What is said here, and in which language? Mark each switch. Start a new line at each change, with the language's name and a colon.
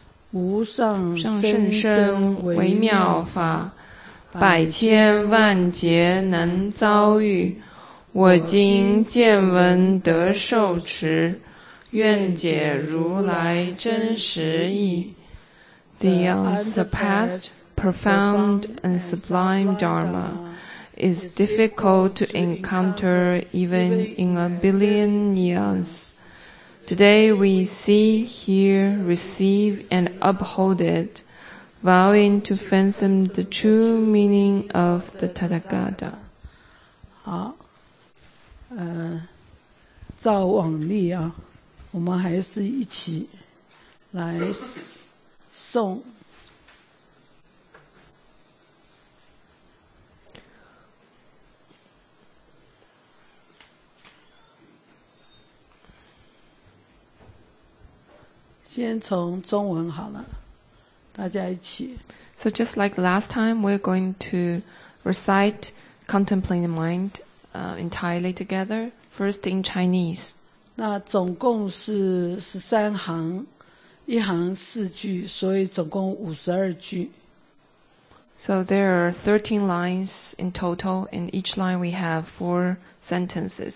Chinese: 无上甚深微妙法。百千万劫难遭遇，我今见闻得受持，愿解如来真实义。
English: The unsurpassed, profound and sublime Dharma is difficult to encounter even in a billion years. Today we see, hear, receive and uphold itVowing to fathom the true meaning of the Tathagata.
Chinese: 好，照往例啊，我们还是一起来诵。先从中文好了。大家一起。
English: So just like last time, we're going to recite Contemplating the Mind, entirely together, first in Chinese.
Chinese: 那总共是13行，一行4句，所以总共52句。
English: So there are 13 lines in total, and each line we have 4 sentences.